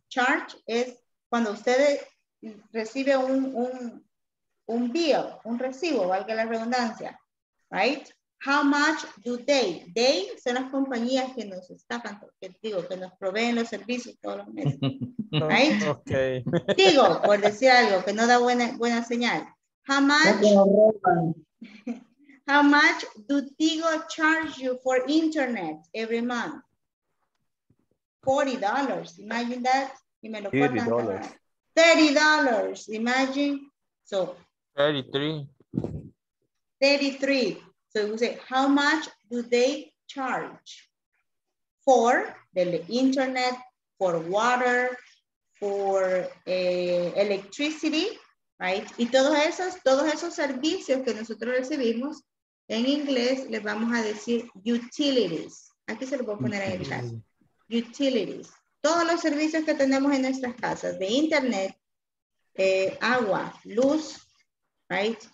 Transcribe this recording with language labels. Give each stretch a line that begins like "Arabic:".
Spanish: Charge es cuando usted recibe un bill, un recibo, valga la redundancia. Right?
English: How much do they?
Spanish: They son las compañías que nos estafan, que nos proveen los servicios todos los meses. Right?
English: Okay.
Spanish: Digo, por decir algo, que no da buena señal.
English: How much? How much do Tigo charge you for internet every month? $40. Imagine that.
Spanish: Y me lo
English: $30. $30. Imagine. So. $33. So we say, how much do they charge for the internet, for water, for electricity, right?
Spanish: Y todos esos servicios que nosotros recibimos, en inglés les vamos a decir utilities. Aquí se lo voy a poner en el chat. Utilities. Todos los servicios que tenemos en nuestras casas, de internet, agua, luz, right?